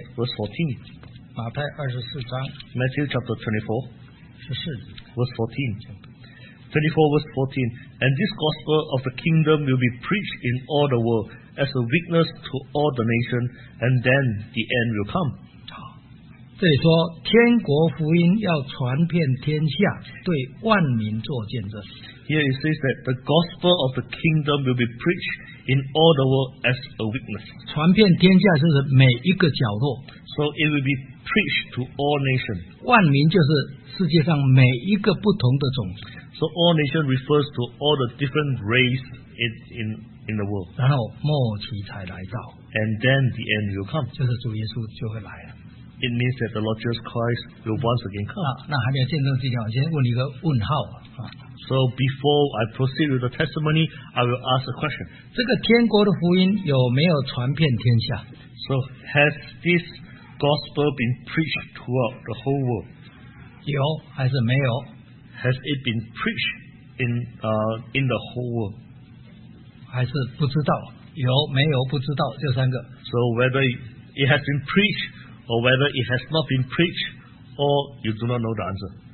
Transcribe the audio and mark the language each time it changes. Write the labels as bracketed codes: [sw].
[en] Verse 14. [zh] 马太二十四章。 [en] Matthew chapter 24. [zh] 十四节。 [en] Verse 14. 24 verse 14. And this gospel of the kingdom will be preached in all the world. As a witness to all the nation, and then the end will come. [zh] 这里说天国福音要传遍天下，对万民做见证。 [en] Here it says that the gospel of the kingdom will be preached in all the world as a witness. [zh] 传遍天下就是每一个角落。 [en] So it will be preached to all nations. [zh] 万民就是世界上每一个不同的种族。 [en] So all nations refers to all the different races in the world. [zh] 然后末期才来到。 [en] And then the end will come. [zh] 就是主耶稣就会来了。 [en] It means that the Lord Jesus Christ will once again come. [zh] 那还没有见证之前，我先问一个问号啊。 [en] So before I proceed with the testimony, I will ask a question. [zh] 这个天国的福音有没有传遍天下？ [en] So has this gospel been preached throughout the whole world? [zh] 有还是没有？ [en] Has it been preached in the whole world? [zh] 还是不知道，有没有不知道，就三个。 [en] So whether it has been preached or whether it has not been preached, or you do not know the answer.